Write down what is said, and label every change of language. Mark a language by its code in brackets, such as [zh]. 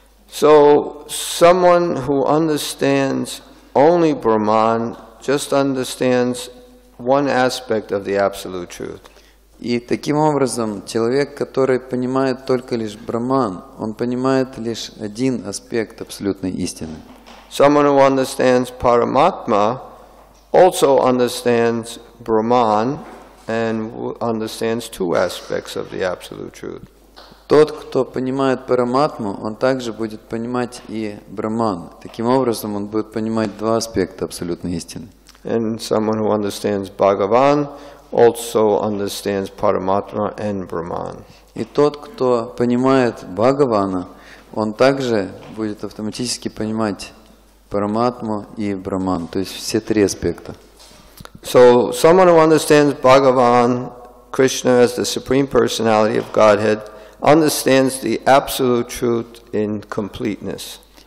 [en] So someone who understands only Brahman just understands one aspect of the absolute truth. [ru] И таким образом, человек, который понимает только лишь Брахман, он понимает лишь один аспект абсолютной истины. [en] Someone who understands Paramatma also understands Brahman and understands two aspects of the absolute truth. [ru] Тот, кто понимает Параматму, он также будет понимать и Брахман. Таким образом, он будет понимать два аспекта абсолютной истины. [en] And someone who understands Bhagavan also understands Paramatma and Brahman. [ru] И тот, кто понимает Бхагавана, он также будет автоматически понимать Параматму и Брахман, то есть все три аспекта. [en] So someone who understands Bhagavan, Krishna as the Supreme Personality of Godhead, understands the absolute truth in completeness.